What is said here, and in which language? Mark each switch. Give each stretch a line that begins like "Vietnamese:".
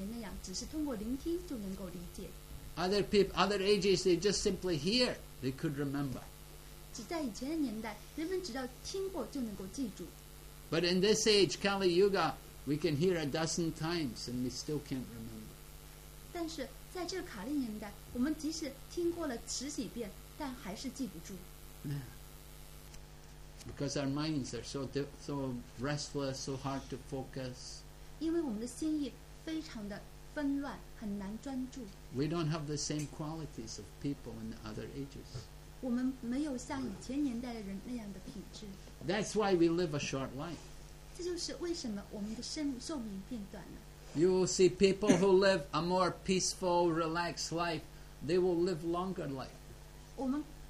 Chinese: 所以呢，他把所有的知识呢都写下来，因为呢，他知道这个年代人们并不能像以前那样，只是通过聆听就能够理解。
English: Other people, other ages, they just simply hear, they could remember.
Chinese: 只在以前的年代，人们只要听过就能够记住。
English: But in this age, Kali Yuga, we can hear a dozen times and we still can't remember.
Chinese: 但是。在这个卡利年代，我们即使听过了十几遍，但还是记不住。
English: Because our minds are so restless, so hard to focus.
Chinese: 因为我们的心意非常的纷乱，很难专注。
English: We don't have the same qualities of people in the other ages.
Chinese: 我们没有像以前年代的人那样的品质。
English: That's why we live a short life.
Chinese: 这就是为什么我们的寿命变短了。
English: You will see people who live a more peaceful, relaxed life, they will live longer life.